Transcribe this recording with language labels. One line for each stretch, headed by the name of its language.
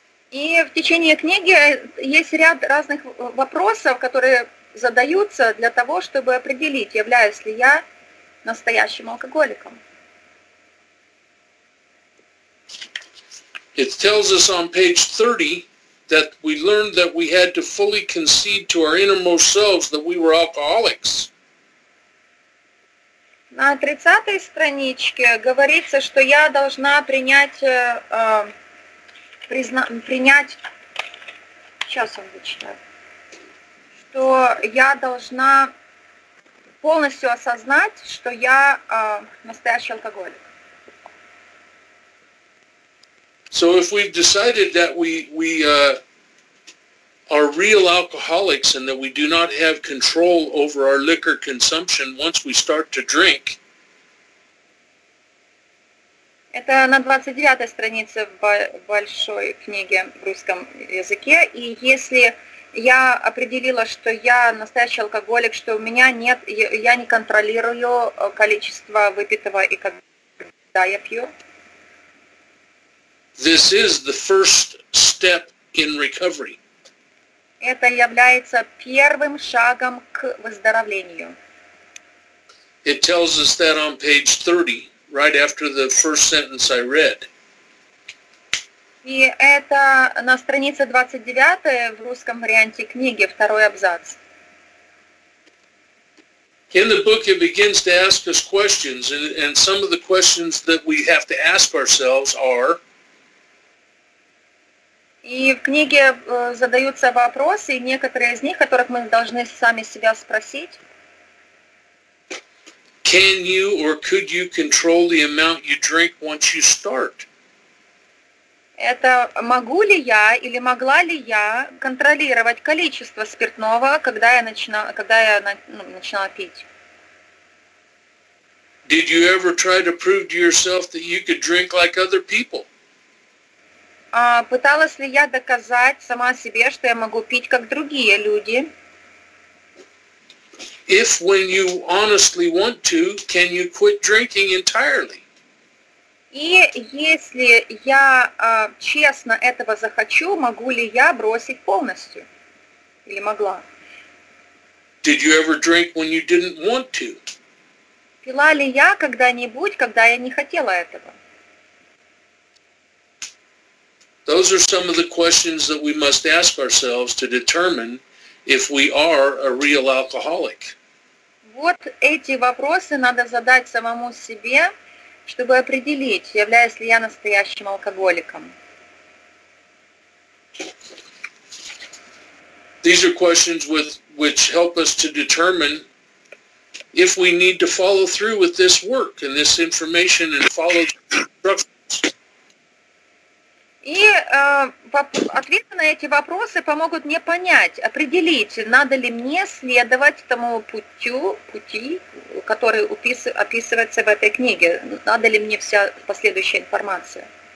Russian: И в течение книги есть ряд разных вопросов, которые задаются для того, чтобы определить, являюсь ли я настоящим алкоголиком.
English: It tells us on page 30 that we learned that we had to fully concede to our innermost selves that we were alcoholics.
Russian: На 30-й страничке говорится, что я должна полностью осознать, что я настоящий алкоголик.
English: So if we've decided that we are real alcoholics and that we do not have control over our liquor consumption once we start to drink.
Russian: Это на 29-й странице большой книги в русском языке. И если я определила, что я настоящий алкоголик, что у меня нет, я не контролирую количество выпитого и когда я пью.
English: This is the first step in recovery.
Russian: Это является первым шагом к выздоровлению.
English: It tells us that on page 30, right after the first sentence I read.
Russian: И это на странице 29 в русском варианте книги, второй абзац.
English: In the book it begins to ask us questions, and some of the questions that we have to ask ourselves are...
Russian: И в книге задаются вопросы, некоторые из них, которых мы должны сами себя спросить.
English: Can you or could you control the amount you drink once you start?
Russian: Это могу ли я или могла ли я контролировать количество спиртного, когда я начинала пить?
English: Did you ever try to prove to yourself that you could drink like other people?
Russian: Пыталась ли я доказать сама себе, что я могу пить, как другие люди?
English: If when you honestly want to, can you quit drinking entirely?
Russian: И если я честно этого захочу, могу ли я бросить полностью? Или могла?
English: Did you ever drink when you didn't want to?
Russian: Пила ли я когда-нибудь, когда я не хотела этого?
English: Those are some of the questions that we must ask ourselves to determine if we are a real alcoholic.
Russian: Вот эти вопросы надо задать самому себе, чтобы определить, являюсь ли я настоящим алкоголиком.
English: These are questions which help us to determine if we need to follow through with this work and this information and follow the instructions.
Russian: И ответы на эти вопросы помогут мне понять, определить, надо ли мне следовать тому пути, который описывается в этой книге, надо ли мне вся последующая информация.